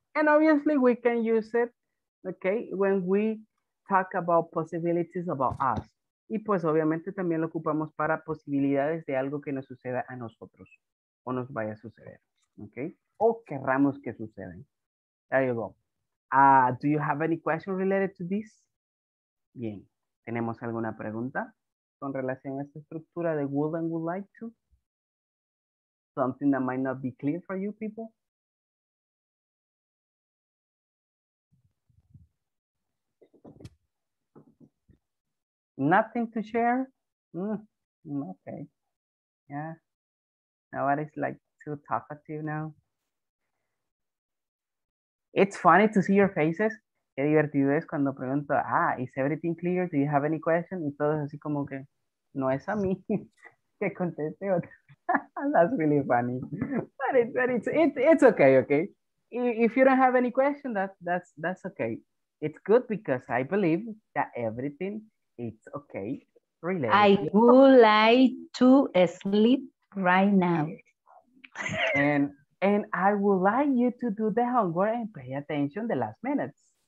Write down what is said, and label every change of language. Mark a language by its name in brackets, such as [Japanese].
[English] And obviously we can use it, okay, when we talk about possibilities about us. [Spanish] Y pues obviamente también lo ocupamos para posibilidades de algo que nos suceda a nosotros o nos vaya a suceder, okay? O querramos que suceda. [English] There you go. Do you have any question related to this? [Spanish] Bien, ¿tenemos alguna pregunta con relación a esta estructura de would and would like to? [English] Something that might not be clear for you people? Nothing to share? Okay. Yeah. Nobody's like too talkative now. It's funny to see your faces. [Spanish] Qué divertido es cuando pregunto, [English] is everything clear? Do you have any question? [Spanish] Y todos así como que, no es a mí que conteste. [English] That's really funny. But it's okay, okay? If you don't have any question, that's okay. It's good because I believe that everything, it's okay, really. I would like to sleep right now. And I would like you to do the homework and pay attention the last minutes.